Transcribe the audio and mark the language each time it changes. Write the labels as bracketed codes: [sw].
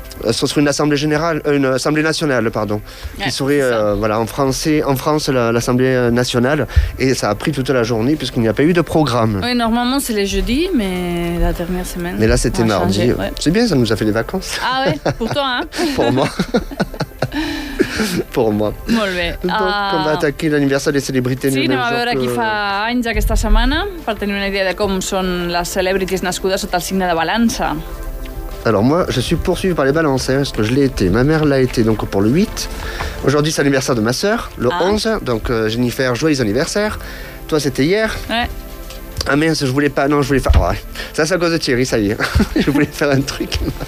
[fr] ce serait une assemblée générale, une assemblée nationale, pardon, ouais, qui serait voilà en France l'assemblée nationale et ça a pris toute la journée puisqu'il n'y a pas eu de programme. Oui, normalement c'est les jeudis, mais la dernière semaine. Mais là c'était mardi. Changé, ouais. C'est bien, ça nous a fait des vacances. Ah ouais, pour toi hein. Pour moi. Pour moi. [ca] Molt bé. [fr] Donc on va attaquer l'anniversaire des célébrités. [ca] Sí, anem a veure qui fa anys aquesta setmana per tenir una idea de com són les celebrities nascudes sota el signe de balança. [fr] Alors moi, je suis poursuivi par les balances, hein, parce que je l'ai été. Ma mère l'a été, donc pour le 8. Aujourd'hui, c'est l'anniversaire de ma sœur, le 11. Donc Jennifer, joyeux anniversaire. Toi, c'était hier. Ouais. Ah mince, je voulais pas. Non, je voulais faire. Ouais. Ça, c'est à cause de Thierry, ça y est. Je voulais faire un truc.